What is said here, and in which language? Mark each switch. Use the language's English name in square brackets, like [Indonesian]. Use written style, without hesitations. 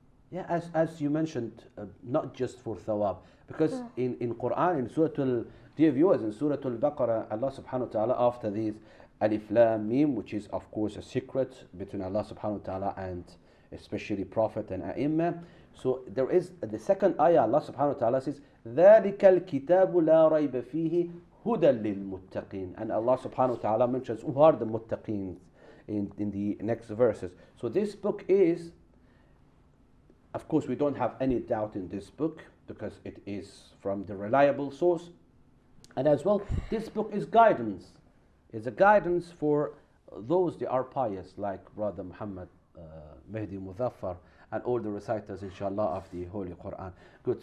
[English] Yeah, as you mentioned, not just for thawab, because in Quran, in Surah Al, dear viewers, in Surah Al-Baqarah, Allah subhanahu wa ta'ala, after these Alif Laam Mim, which is of course a secret between Allah subhanahu wa ta'ala and especially Prophet and A'imma, so there is the second ayah. Allah subhanahu wa ta'ala says, [Arabic] ذَلِكَ الْكِتَابُ لَا رَيْبَ فِيهِ هُدًى لِلْمُتَّقِينَ. [English] And Allah subhanahu wa ta'ala mentions who are the muttaqeen in the next verses. So this book is, of course, we don't have any doubt in this book, because it is from the reliable source. And as well, this book is guidance. It's a guidance for those that are pious, like Brother Muhammad Mahdi Modaffar and all the reciters, inshallah, of the Holy Quran. Good.